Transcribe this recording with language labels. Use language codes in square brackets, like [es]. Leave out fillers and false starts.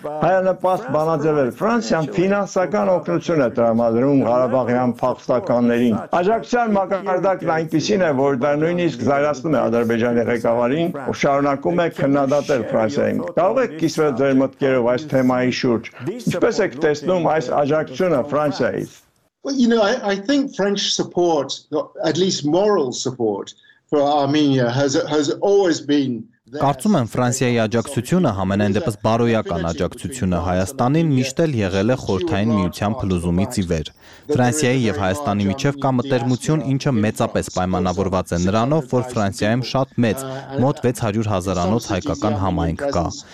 [hy] հայանպաստ բանաձևեր։ Ֆրանսիան ֆինանսական օգնություն է տրամադրում Ղարաբաղյան փախստականներին։ Աջակցության մակարդակն այնպիսին է, որ դա նույնիսկ զայրացնում է Ադրբեջանի ղեկավարին ու շարունակում է քննադատել Ֆրանսիային։ Կարող եք կիսվել ձեր մտքերով այս թեմայի շուրջ։ Ինչպես եք տեսնում այս աջակցությունը Ֆրանսիայից։ [en] Well, you know, I think French support, at least moral support for Armenia has always been. [hy] Կարծում եմ Ֆրանսիայի աջակցությունը համենայն դեպս բարոյական աջակցությունը Հայաստանին միշտ էլ եղել է խորթային միության փլուզումից ի վեր։ Ֆրանսիայի եւ Հայաստանի միջև կա մտերմություն, ինչը մեծապես պայմանավորված է նրանով, որ Ֆրանսիայում շատ մեծ, մոտ 600 հազարանոց հայկական համայնք կա։